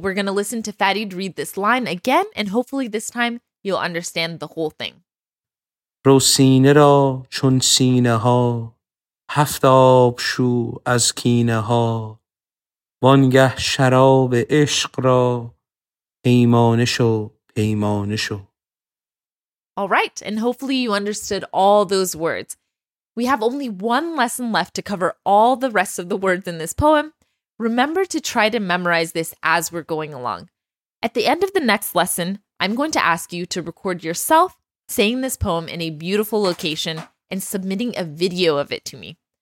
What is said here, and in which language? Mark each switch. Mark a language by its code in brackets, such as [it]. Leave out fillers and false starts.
[en] We're going to listen to Fadid read this line again, and hopefully this time you'll understand the whole thing. [fa] رو سینه را چون سینه ها هفت آب شو از کینه ها وانگه شراب عشق را پیمانه شو پیمانه شو. [en] All right, and hopefully you understood all those words. We have only one lesson left to cover all the rest of the words in this poem. Remember to try to memorize this as we're going along. At the end of the next lesson, I'm going to ask you to record yourself saying this poem in a beautiful location and submitting a video of it to me.